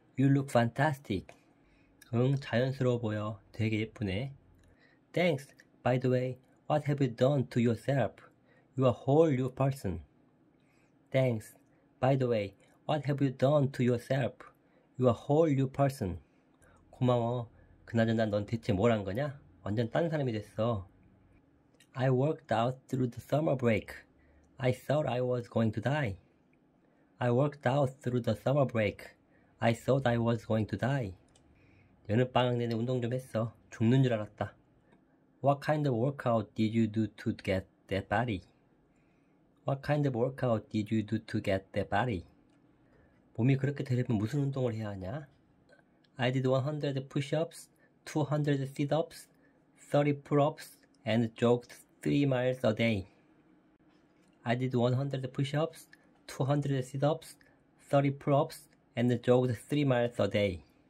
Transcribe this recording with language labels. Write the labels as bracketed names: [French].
[English] You look fantastic. [Korean] 응, 자연스러워 보여. 되게 예쁘네. [English] Thanks. By the way, what have you done to yourself? You are a whole new person. Thanks. By the way, what have you done to yourself? You are a whole new person. 고마워. [Korean] 그나저나 넌 대체 뭘 한 거냐? 완전 딴 사람이 됐어. [English] I worked out through the summer break. I thought I was going to die. I worked out through the summer break. I thought I was going to die. [Korean] 여름 방학 내내 운동 좀 했어. 죽는 줄 알았다. [English] What kind of workout did you do to get that body? What kind of workout did you do to get that body? [Korean] 몸이 그렇게 되려면 무슨 운동을 해야 하냐? [English] I did 100 push-ups, 200 sit-ups, 30 pull-ups, and jogged 3 miles a day. I did 100 push-ups, 200 sit-ups, 30 pull-ups, and jogged 3 miles a day.